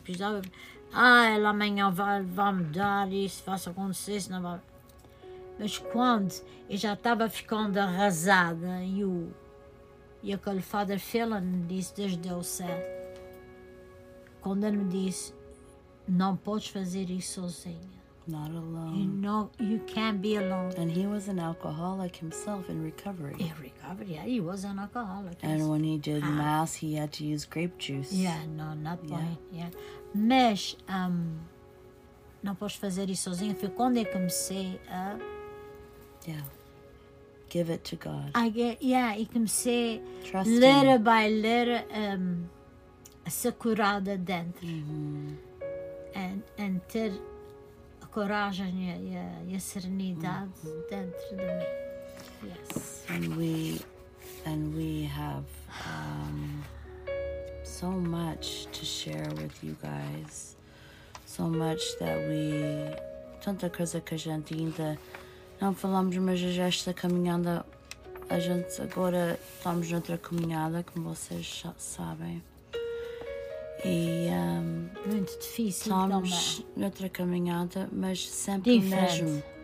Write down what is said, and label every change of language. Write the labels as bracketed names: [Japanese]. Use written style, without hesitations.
[Portuguese] Precisava, ela amanhã vai mudar isso, vai acontecer, se não vai... Mas quando eu já estava ficando arrasada e aquele Father Phelan me disse, Deus deu certo. Quando ele me disse, não podes fazer isso sozinha. [English] Not alone. You can't be alone. And he was an alcoholic himself in recovery. In recovery, yeah, he was an alcoholic. And when he did mass, he had to use grape juice. Yeah, no, not mine. [Portuguese] Mas, não podes fazer isso sozinha. Foi quando eu comecei a... [English] Yeah, give it to God. [Portuguese] E comecei [English] little by little [Portuguese] a ser curada dentro. [English] And [Portuguese] ter a coragem e a serenidade dentro de mim. [English] Yes. And we have so much to share with you guys. So much that we... [Portuguese] Tanta coisa que a gente ainda... Não falamos, mas já está caminhando A gente agora estamos noutra caminhada, como vocês já sabem. E, muito difícil. Estamos noutra caminhada, mas sempre o mesmo.